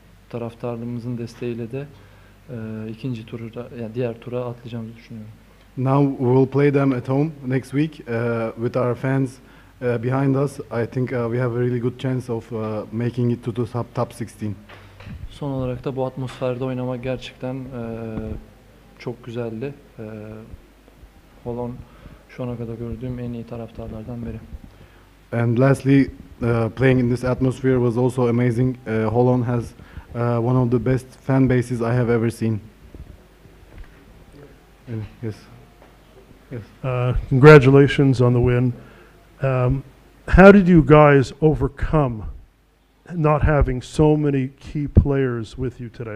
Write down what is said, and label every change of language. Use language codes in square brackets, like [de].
[tr] Taraftarlarımızın desteğiyle de ikinci turu, yani diğer tura atlayacağımızı düşünüyorum. [en] Now we'll play them at home next week with our fans behind us. I think we have a really good chance of making it to the top 16. [tr] Son olarak da bu atmosferde oynamak gerçekten çok güzeldi. Holon şu ana kadar gördüğüm en iyi taraftarlardan biri. [en] And lastly, playing in this atmosphere was also amazing. Holon has one of the best fan bases I have ever seen. Yes. Congratulations on the win. How did you guys overcome not having so many key players with you today?